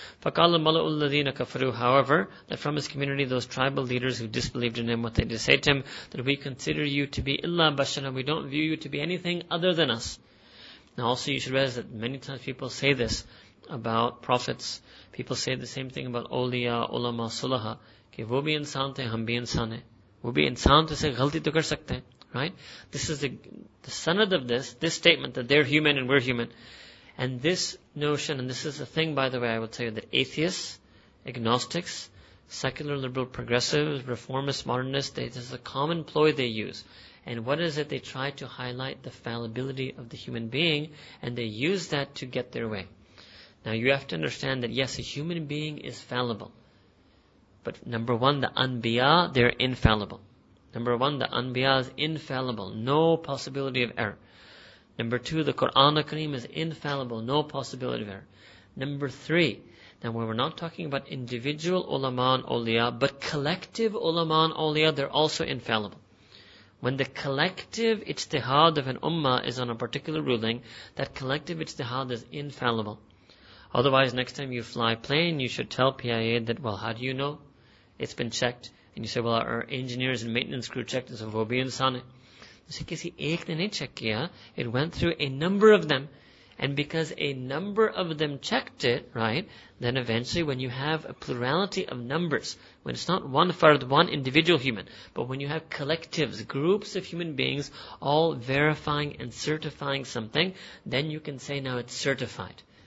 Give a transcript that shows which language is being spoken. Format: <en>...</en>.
<ar>فَقَالَ مَلَأُ الَّذِينَ كَفَرُوا</ar> <en>However, that from his community, those tribal leaders who disbelieved in him, what they did say to him, that we consider you to be</en> <ar>إِلَّا بَشَرًا</ar> <en>We don't view you to be anything other than us. Now also you should realize that many times people say this about prophets. People say the same thing about awliya, ulama, sulaha.</en> <ur>کہ وہ بھی انسان تھے, ہم بھی انسان ہیں. وہ بھی انسان تو اسے غلطی تو کر سکتے ہیں.</ur> <en>Right? This is the sanad of this statement that they're human and we're human. And this notion, and this is the thing, by the way, I will tell you, that atheists, agnostics, secular, liberal, progressive, reformist, modernist, this is a common ploy they use. And what is it? They try to highlight the fallibility of the human being, and they use that to get their way. Now you have to understand that yes, a human being is fallible. But number one, the anbiya, they're infallible. Number one, the anbiya is infallible, no possibility of error. Number two, the Qur'an al-Kareem is infallible, no possibility of error. Number three, now we're not talking about individual ulama and awliya, but collective ulama and awliya, they're also infallible. When the collective ijtihad of an ummah is on a particular ruling, that collective ijtihad is infallible. Otherwise, next time you fly a plane, you should tell PIA that, well, how do you know? It's been checked. And you say, well, our engineers and maintenance crew checked it, so</en> <ur>وہ بھی انسان ہے.</ur> <en>You say,</en> <ur>کسی ایک نے نہیں check کیا.</ur> <en>It went through a number of them. And because a number of them checked it, right, then eventually when you have a plurality of numbers, when it's not one fard, one individual human, but when you have collectives, groups of human beings, all verifying and certifying something, then you can say now it's certified.</en>